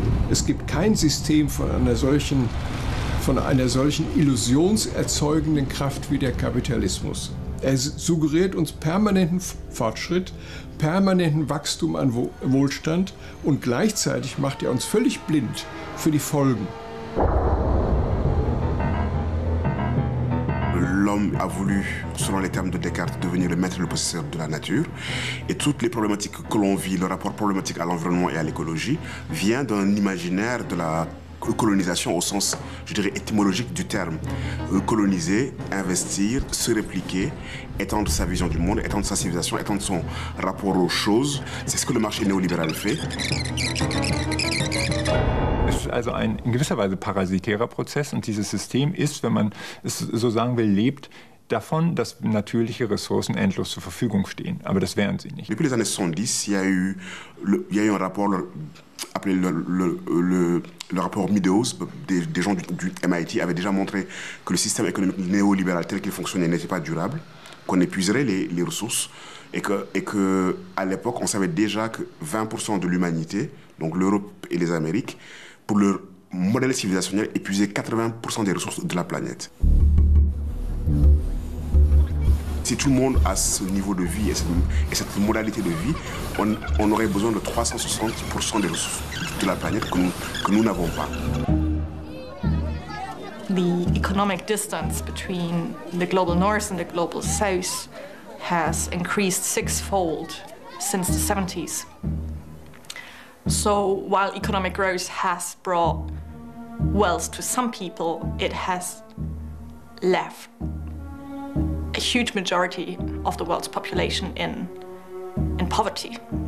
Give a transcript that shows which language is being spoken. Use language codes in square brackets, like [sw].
[de] Es gibt kein System von einer solchen illusionserzeugenden Kraft wie der Kapitalismus. Er suggeriert uns permanenten Fortschritt, permanenten Wachstum an Wohlstand und gleichzeitig macht er uns völlig blind für die Folgen. [fr] L'homme a voulu, selon les termes de Descartes, devenir le maître et le possesseur de la nature. Et toutes les problématiques que l'on vit, le rapport problématique à l'environnement et à l'écologie, vient d'un imaginaire de la colonisation au sens, je dirais, étymologique du terme. Coloniser, investir, se répliquer, étendre sa vision du monde, étendre sa civilisation, étendre son rapport aux choses. C'est ce que le marché néolibéral fait. [de] Also ein in gewisser Weise parasitärer Prozess und dieses System ist, wenn man es so sagen will, lebt davon, dass natürliche Ressourcen endlos zur Verfügung stehen. Aber das wären sie nicht. [fr] Depuis les années 70, il y a eu un rapport appelé le rapport Meadows, des gens du MIT avaient déjà montré que le système économique néolibéral tel qu'il fonctionnait n'était pas durable, qu'on épuiserait les ressources et que à l'époque on savait déjà que 20% de l'humanité, donc l'Europe et les Amériques, pour leur modèle civilisationnel, épuiser 80% des ressources de la planète. Si tout le monde a ce niveau de vie et cette modalité de vie, on aurait besoin de 360% des ressources de la planète que nous n'avons pas. [en] The economic distance between the global north and the global south has increased sixfold since the 70s. So while economic growth has brought wealth to some people, it has left a huge majority of the world's population in poverty.